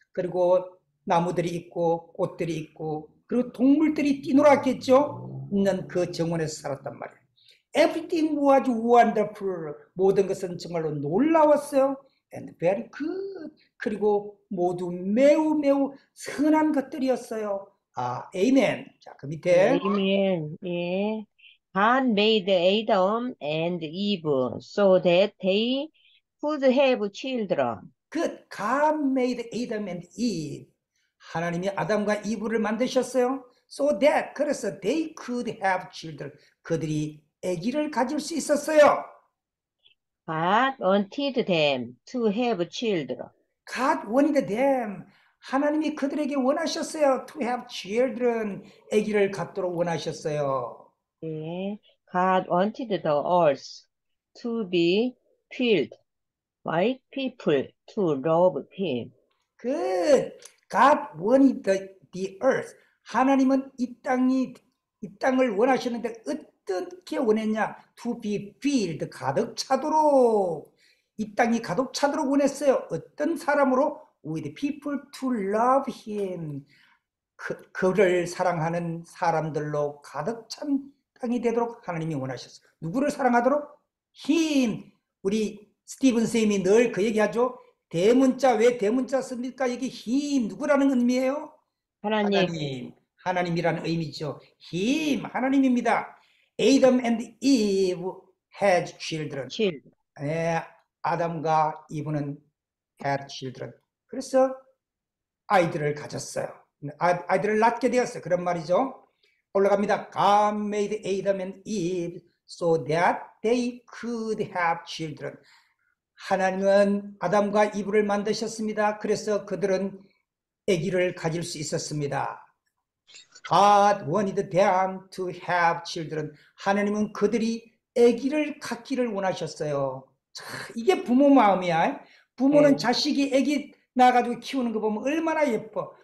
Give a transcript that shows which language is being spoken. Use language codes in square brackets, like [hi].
[ko] 그리고 나무들이 있고 꽃들이 있고 그리고 동물들이 뛰놀았겠죠? 있는 그 정원에서 살았단 말이에요. [en] Everything was wonderful. [ko] 모든 것은 정말로 놀라웠어요. [en] And very good. [ko] 그리고 모두 매우 매우 선한 것들이었어요. 아, Amen. 자, 그 밑에. Amen. 예. [en] God made Adam and Eve so that they could have children. Good. God made Adam and Eve. [ko] 하나님이 아담과 이브를 만드셨어요. [en] So that, [ko] 그래서 [en] they could have children. [ko] 그들이 아기를 가질 수 있었어요. [en] God wanted them to have children. God wanted them. [ko] 하나님이 그들에게 원하셨어요. [en] To have children. [ko] 아기를 갖도록 원하셨어요. [en] God wanted the earth to be filled with people to love him. Good. God wanted the earth. [ko] 하나님은 이 땅이 이 땅을 원하셨는데 어떻게 원했냐? [en] To be filled, [ko] 가득 차도록 이 땅이 가득 차도록 원했어요. 어떤 사람으로? [en] With people to love him. [ko] 그를 사랑하는 사람들로 가득 찬 땅이 되도록 하나님이 원하셨어요. 누구를 사랑하도록? Him. 우리 스티븐 쌤이 늘 그 얘기하죠. 대문자 왜 대문자 씁니까? 여기 him 누구라는 의미예요? 하나님. 하나님. 하나님이라는 의미죠. Him, 하나님입니다. [en] Adam and Eve had children. Children. [ko] 네, 아담과 이브는 [en] had children. [ko] 그래서 아이들을 가졌어요. 아이들을 낳게 되었어요. 그런 말이죠. 올라갑니다. [en] God made Adam and Eve so that they could have children. [ko] 하나님은 아담과 이브를 만드셨습니다. 그래서 그들은 아기를 가질 수 있었습니다. [en] God wanted them to have children. [ko] 하나님은 그들이 아기를 갖기를 원하셨어요. 자, 이게 부모 마음이야. 부모는 네. 자식이 아기 낳아가지고 키우는 거 보면 얼마나 예뻐.